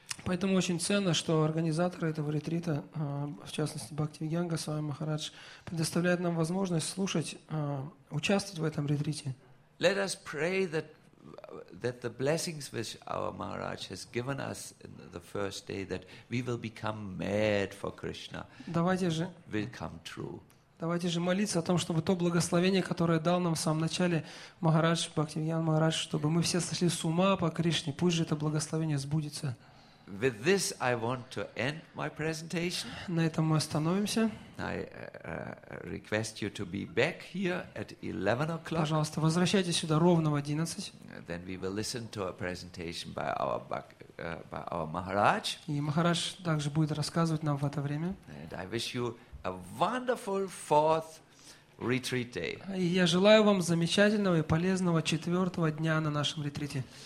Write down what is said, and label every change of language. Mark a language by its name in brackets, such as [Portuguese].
[Russian] Поэтому очень ценно, что организаторы этого ретрита, в частности Бхакти Вигьян Госвами Махарадж, предоставляют нам возможность слушать, участвовать в этом ретрите. [English] Let us pray that the blessings which our Maharaj has given us in the first day, that we will become mad for Krishna, will come true. [Russian] Давайте же молиться о том, чтобы то благословение, которое дал нам в самом начале Махарадж, Бхакти Вигьян Махарадж, чтобы мы все сошли с ума по Кришне, пусть же это благословение сбудется. [English] With this, I want to end my presentation. [Russian] На этом мы остановимся. [English] I request you to be back here at 11 o'clock. [Russian] Пожалуйста, возвращайтесь сюда ровно в 11. [English] Then we will listen to a presentation by our Maharaj. [Russian] И Махарадж также будет рассказывать нам в это время. [English] And I wish you a wonderful fourth retreat day. [Russian] И я желаю вам замечательного и полезного четвертого дня на нашем ретрите.